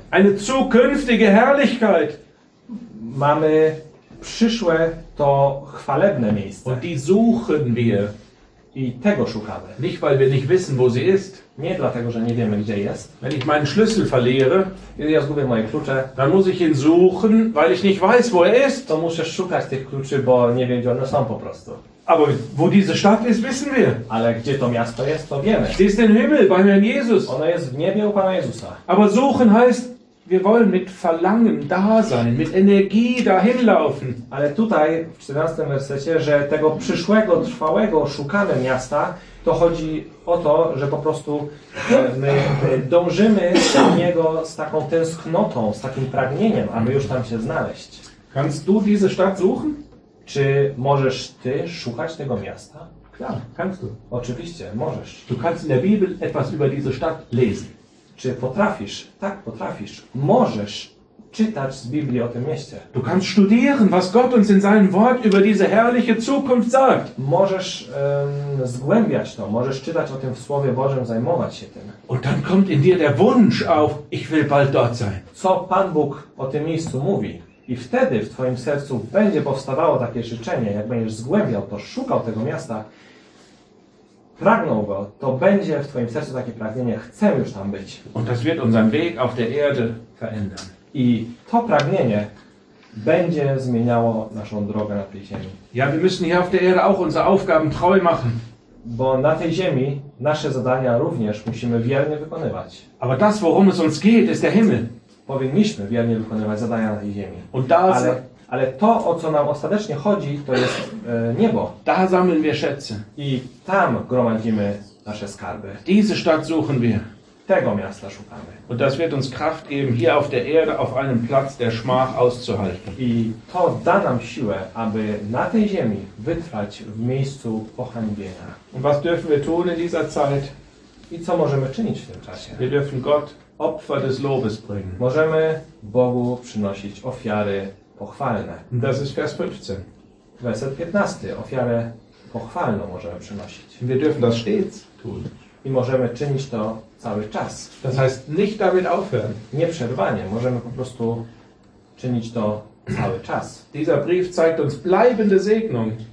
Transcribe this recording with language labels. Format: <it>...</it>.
<de>Eine zukünftige Herrlichkeit.</de> <pl>Mamy przyszłe, to chwalebne miejsce.</pl> <de>Und die suchen wir.</de> <pl>I tego szukamy.</pl> <de>Nicht weil wir nicht wissen, wo sie ist.</de> <pl>Nie dlatego, że nie wiemy, gdzie jest.</pl> <de>Wenn ich meinen Schlüssel verliere,</de> <pl>ja zgubię moje klucze,</pl> <de>dann muss ich ihn suchen, weil ich nicht weiß, wo er ist.</de> <pl>To muszę szukać tych kluczy, bo nie wiem, gdzie one są po prostu.</pl> <de>Aber wo diese Stadt ist, wissen wir.</de> <pl>Ale gdzie to miasto jest, to wiemy.</pl> <de>Sie ist im Himmel, bei Herrn Jesus.</de> <pl>Ona jest w niebie u Pana Jezusa.</pl> <de>Aber suchen heißt, wir wollen mit Verlangen da sein, mit Energie dahin laufen.</de> <pl>Ale tutaj, w 14. wersecie, że tego przyszłego, trwałego, szukamy miasta, to chodzi o to, że po prostu my dążymy do niego z taką tęsknotą, z takim pragnieniem, aby już tam się znaleźć.</pl> <de>Kannst du diese Stadt suchen?</de> <pl>Czy możesz ty szukać tego miasta?</pl> <de>Klar, kannst du.</de> <pl>Oczywiście, możesz.</pl> <de>Du kannst in der Bibel etwas über diese Stadt lesen.</de> <pl>Czy potrafisz? Tak, potrafisz. Możesz czytać z Biblii o tym mieście.</pl> <de>Du kannst studieren, was Gott uns in seinem Wort über diese herrliche Zukunft sagt.</de> <pl>Możesz zgłębiać to, możesz czytać o tym w Słowie Bożym, zajmować się tym.</pl> <de>Und dann kommt in dir der Wunsch auf, ich will bald dort sein.</de> <pl>Co Pan Bóg o tym miejscu mówi? I wtedy w twoim sercu będzie powstawało takie życzenie, jak będziesz zgłębiał to, szukał tego miasta, pragnął go, to będzie w twoim sercu takie pragnienie, chcę już tam być.</pl> <de>Und das wird unseren Weg auf der Erde verändern.</de> <pl>I to pragnienie będzie zmieniało naszą drogę na tej ziemi.</pl> <de>Ja, wir müssen hier auf der Erde auch unsere Aufgaben treu machen.</de> <pl>Bo na tej ziemi nasze zadania również musimy wiernie wykonywać.</pl> <de>Aber das, worum es uns geht, ist der Himmel.</de> <pl>Powinniśmy wiernie wykonywać zadania na tej ziemi.</pl> <de>Und da</de> <pl>ale, ale to, o co nam ostatecznie chodzi, to jest niebo.</pl> <de>Da sammeln wir Schätze.</de> <pl>I tam gromadzimy nasze skarby.</pl> <de>Diese Stadt suchen wir.</de> <pl>Tego miasta szukamy.</pl> <de>Und das wird uns Kraft geben, hier auf der Erde auf einem Platz der Schmach auszuhalten.</de> <pl>I to da nam siłę, aby na tej ziemi wytrwać w miejscu pohańbienia.</pl> <de>Und was dürfen wir tun in dieser Zeit?</de> <pl>I co możemy czynić w tym czasie?</pl> <de>Wir dürfen Gott Opfer des Lobes bringen.</de> <pl>Możemy Bogu przynosić ofiary pochwalne.</pl> <de>Das ist Vers 15.</de> <pl>Werset 15. Ofiarę pochwalną możemy przynosić.</pl> <de>Wir dürfen das stets tun.</de> <pl>I możemy czynić to cały czas.</pl> <de>Das heißt, nicht damit aufhören.</de> <pl>Nieprzerwanie. Możemy po prostu czynić to cały czas.</pl> <de>Dieser Brief zeigt uns bleibende Segnung.</de>